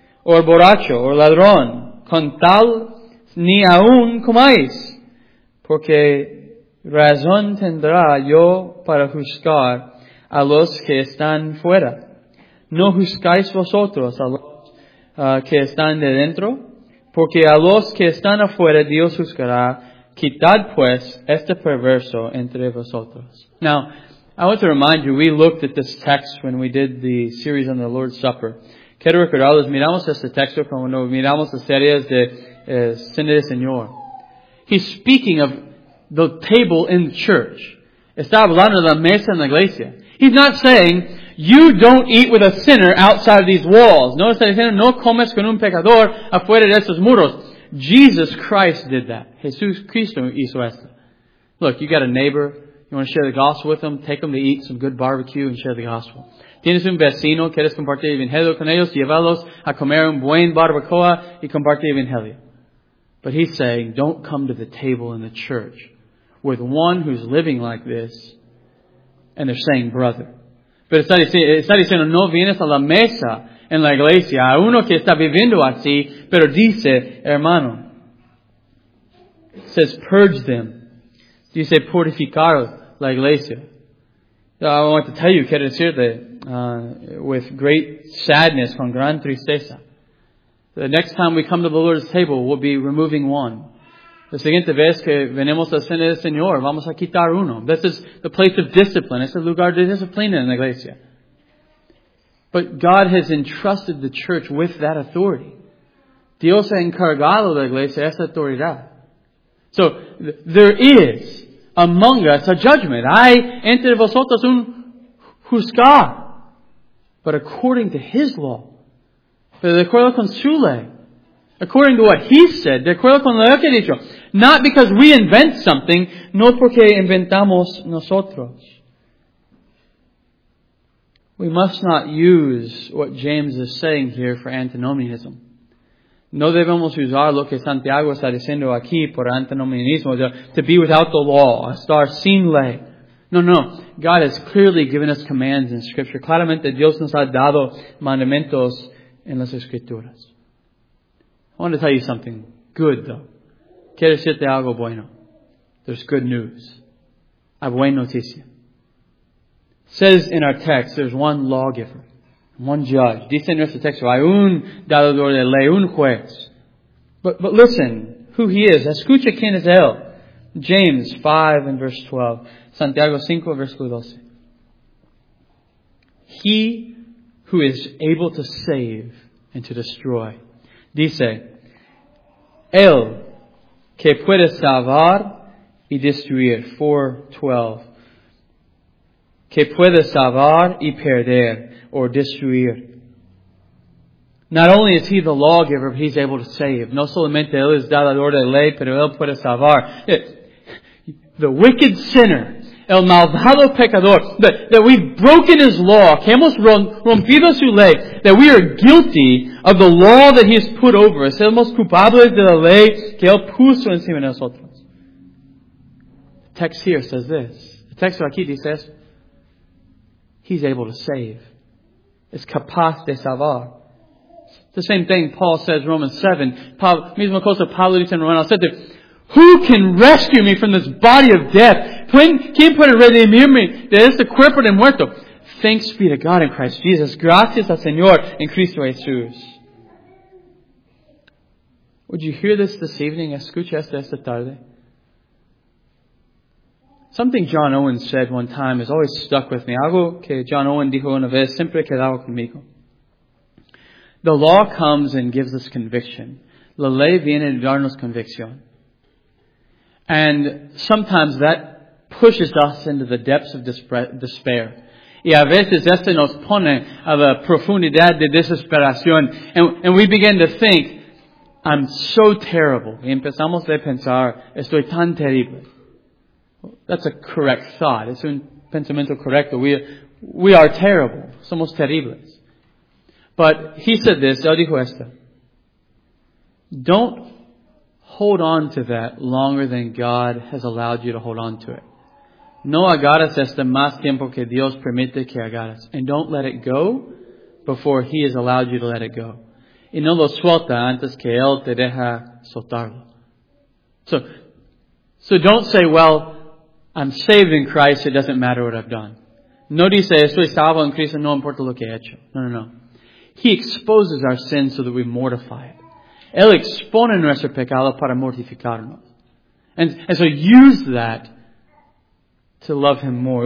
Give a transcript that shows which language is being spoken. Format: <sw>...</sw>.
<es>Or borracho, or ladrón, con tal ni aún comáis, porque razón tendrá yo para juzgar a los que están fuera. No juzgáis vosotros a los que están de dentro, porque a los que están afuera Dios juzgará. Quitad pues este perverso entre vosotros.</es> <en>Now, I want to remind you, we looked at this text when we did the series on the Lord's Supper.</en> <es>Quiero recordarles, miramos este texto cuando miramos las series de Cena del Señor.</es> <en>He's speaking of the table in the church.</en> <es>Está hablando de la mesa en la iglesia.</es> <en>He's not saying, you don't eat with a sinner outside of these walls.</en> <es>No está diciendo, no comes con un pecador afuera de estos muros.</es> <en>Jesus Christ did that.</en> <es>Jesús Cristo hizo esto.</es> <en>Look, you got a neighbor, you want to share the gospel with them, take them to eat some good barbecue and share the gospel.</en> <es>Tienes un vecino, quieres compartir el evangelio con ellos, llévalos a comer un buen barbacoa y compartir el evangelio.</es> <en>But he's saying, don't come to the table in the church with one who's living like this and they're saying brother.</en> <es>Pero está diciendo, no vienes a la mesa en la iglesia a uno que está viviendo así, pero dice, hermano.</es> <en>It says, purge them.</en> <es>Dice, purificar la iglesia.</es> <en>I want to tell you,</en> <es>quiero decirte,</es> <en>with great sadness,</en> <es>con gran tristeza.</es> <en>The next time we come to the Lord's table, we'll be removing one.</en> <es>La siguiente vez que venimos a cena del Señor, vamos a quitar uno.</es> <en>This is the place of discipline.</en> <es>Es el lugar de disciplina en la iglesia.</es> <en>But God has entrusted the church with that authority.</en> <es>Dios ha encargado la iglesia esa autoridad.</es> <en>So, there is among us a judgment.</en> <es>Hay entre vosotros un juzgar.</es> <en>But according to his law,</en> <es>pero de acuerdo con su ley,</es> <en>According to what he said,</en> <es>de acuerdo con lo que he dicho,</es> <en>not because we invent something,</en> <es>no porque inventamos nosotros.</es> <en>We must not use what James is saying here for antinomianism.</en> <es>No debemos usar lo que Santiago está diciendo aquí por antinomianismo,</es> <en>to be without the law,</en> <es>a star sin ley. No, no.</es> <en>God has clearly given us commands in Scripture.</en> <es>Claramente Dios nos ha dado mandamientos en las Escrituras.</es> <en>I want to tell you something good, though.</en> <es>Quiero decirte algo bueno.</es> <en>There's good news.</en> <es>Hay buena noticia.</es> <en>It says in our text, there's one lawgiver. One judge.</en> <es>Dice en nuestro texto, hay un dador de ley, un juez.</es> <en>But listen, who he is.</en> <es>Escucha quién es él.</es> <en>James 5 and verse 12.</en> <es>Santiago 5 verse 12.</es> <en>He who is able to save and to destroy.</en> <es>Dice, él que puede salvar y destruir. 4:12. Que puede salvar y perder, or destruir.</es> <en>Not only is he the lawgiver, but he's able to save.</en> <es>No solamente él es dador de ley, pero él puede salvar.</es> <en>The wicked sinner,</en> <es>el malvado pecador,</es> <en>that we've broken his law,</en> <es>que hemos rompido su ley,</es> <en>that we are guilty of the law that he has put over us,</en> <es>somos culpables de la ley que él puso encima de nosotros.</es> <en>The text here says this. The text aquí dice esto. He's able to save.</en> <es>Es capaz de salvar.</es> <en>The same thing Paul says in Romans 7.</en> <es>Mismo cosa Pablo dice en Romanos 7.</es> <en>Who can rescue me from this body of death?</en> <es>¿Quién puede redimirme de este cuerpo de muerto?</es> <en>Thanks be to God in Christ Jesus.</en> <es>Gracias al Señor en Cristo Jesús.</es> <en>Would you hear this evening?</en> <es>Escucha esta tarde.</es> <en>Something John Owen said one time has always stuck with me.</en> <es>Algo que John Owen dijo una vez siempre quedaba conmigo.</es> <en>The law comes and gives us conviction.</en> <es>La ley viene y darnos convicción.</es> <en>And sometimes that pushes us into the depths of despair.</en> <es>Y a veces este nos pone a la profundidad de desesperación.</es> <en>And we begin to think, I'm so terrible.</en> <es>Y empezamos a pensar, estoy tan terrible.</es> <en>That's a correct thought. It's</en> <es>un pensamiento correcto.</es> <en>We are terrible.</en> <es>Somos terribles.</es> <en>But he said this,</en> <es>él dijo esto.</es> <en>Don't hold on to that longer than God has allowed you to hold on to it.</en> <es>No agarras esto más tiempo que Dios permite que agarras.</es> <en>And don't let it go before he has allowed you to let it go.</en> <es>Y no lo suelta antes que él te deja soltarlo.</es> <en>So don't say, well, I'm saved in Christ, it doesn't matter what I've done.</en> <es>No dice, estoy salvo en Cristo, no importa lo que he hecho. No, no, no.</es> <en>He exposes our sin so that we mortify it.</en> <es>Él expone nuestro pecado para mortificarnos.</es> <en>And so use that to love him more.</en>